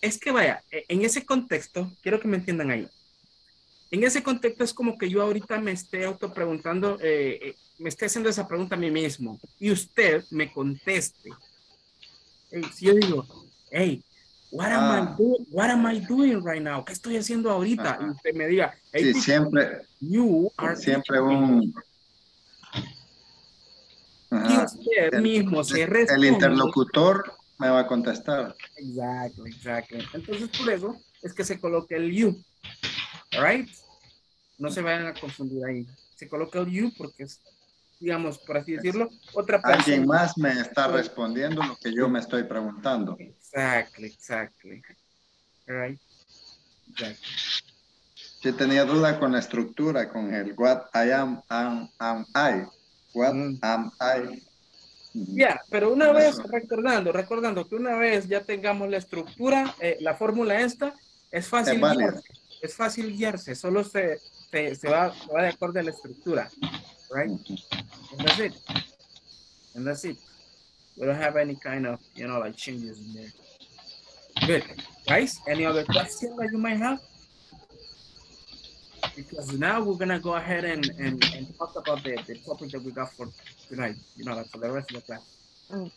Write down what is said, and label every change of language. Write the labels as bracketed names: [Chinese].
[Spanish] Es que vaya, en ese contexto, quiero que me entiendan ahí. En ese contexto es como que yo ahorita me esté autopreguntando, me esté haciendo esa pregunta a mí mismo y usted me conteste. Si yo digo, [English] hey, what am I doing right now? [Spanish] ¿Qué estoy haciendo ahorita? Y usted me diga, hey, sí, teacher, siempre, [English] you are [Spanish] siempre [English] teaching. [Spanish] Un... Y usted mismo se responde. El interlocutor... me va a contestar. Exacto. Entonces, por eso es que se coloca el you. [English] Right? [Spanish] No se vayan a confundir ahí. Se coloca el you porque es, digamos, por así decirlo, otra persona. Alguien más me está respondiendo lo que yo me estoy preguntando. [English] Exactly. Right? Exactly. [Spanish] Sí, tenía duda con la estructura, con el [English] what I am I. What am I? [Spanish] Ya, [English] yeah, [Spanish] pero una vez, recordando que una vez ya tengamos la estructura, la fórmula esta, es fácil guiarse, solo se va de acuerdo a la estructura, [English] right? And that's it. We don't have any kind of, you know, like changes in there. Good. Guys, any other questions that you might have? Because now we're going to go ahead and talk about the topic that we got for tonight, you know, like for the rest of the class.